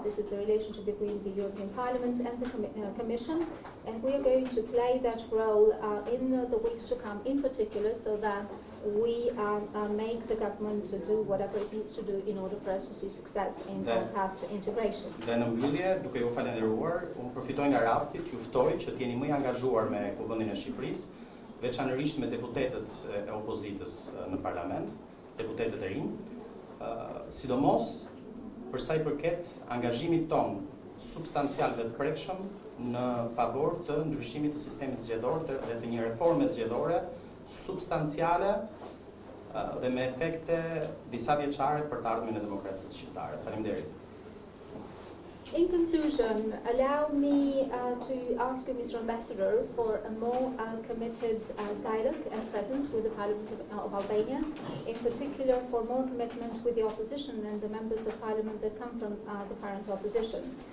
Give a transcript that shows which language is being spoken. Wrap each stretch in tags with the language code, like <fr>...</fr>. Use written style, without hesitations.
<en>This is the relationship between the European Parliament and the Commission, and we are going to play that role in the weeks to come in particular, so that we make the government to do whatever it needs to do in order for us to see success in this path to integration.</en> <sq>Dhe në mbyllje, duke ju falendëruar, unë përfitoj nga rastit, ju ftoj që t'jeni më angazhuar me Kuvendin e Shqipërisë, veçanërisht me deputetët e opozitës në parlament, deputetët e rinj, sidomos për sa I përket angazhimit ton substancial dhe të prekshëm në favor të ndryshimit të sistemit zgjedhor dhe të një reforme zgjedhore substanciale dhe me efekte disa vjeçare për të ardhmen e demokracisë shqiptare. Faleminderit.</sq> <en>In conclusion, allow me to ask you, Mr. Ambassador, for a more committed dialogue and presence with the Parliament of Albania, in particular for more commitment with the opposition and the members of Parliament that come from the current opposition.</en>